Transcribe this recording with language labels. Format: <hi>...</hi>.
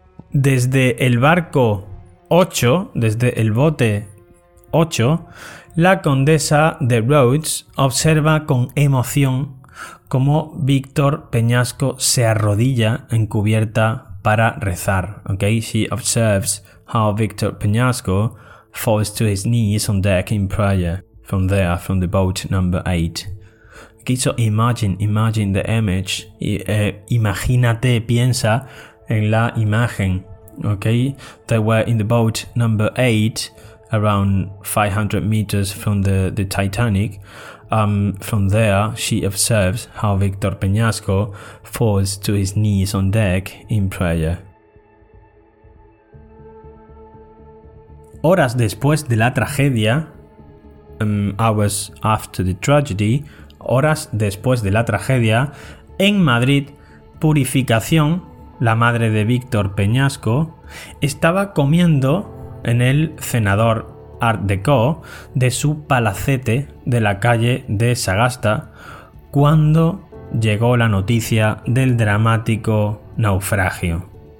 <es>Desde el barco 8, desde el bote 8, la condesa de Rhodes observa con emoción cómo Víctor Peñasco se arrodilla en cubierta para rezar.</es> <en>Okay, she observes how Víctor Peñasco falls to his knees on deck in prayer from there, from the boat number 8. Okay, so imagine the image.</en> <es>Imagínate, piensa en la imagen.</es> <en>Okay, they were in the boat number 8, around 500 meters from the Titanic. From there, she observes how Victor Peñasco falls to his knees on deck in prayer.</en> <es>Horas después de la tragedia,</es> <en>hours after the tragedy,</en> <es>horas después de la tragedia, en Madrid, Purificación, la madre de Víctor Peñasco, estaba comiendo en el cenador Art Deco de su palacete de la calle de Sagasta cuando llegó la noticia del dramático naufragio.</es>